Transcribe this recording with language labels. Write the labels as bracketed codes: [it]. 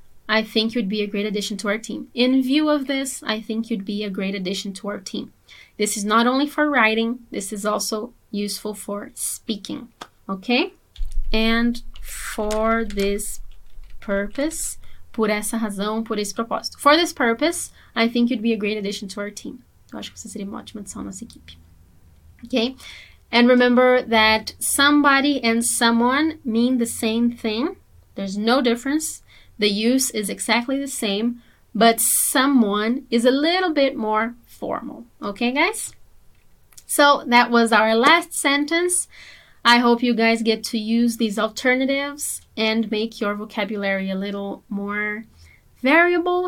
[en] I think you'd be a great addition to our team. In view of this, I think you'd be a great addition to our team. This is not only for writing, this is also useful for speaking, okay? And for this purpose, [pt] por essa razão, por esse propósito. [en] For this purpose, I think you'd be a great addition to our team. [pt] Eu acho que você seria uma ótima adição à nossa equipe. [en] Okay? And remember that somebody and someone mean the same thing. There's no difference. The use is exactly the same, but someone is a little bit more formal. Okay, guys? So that was our last sentence. I hope you guys get to use these alternatives and make your vocabulary a little more variable.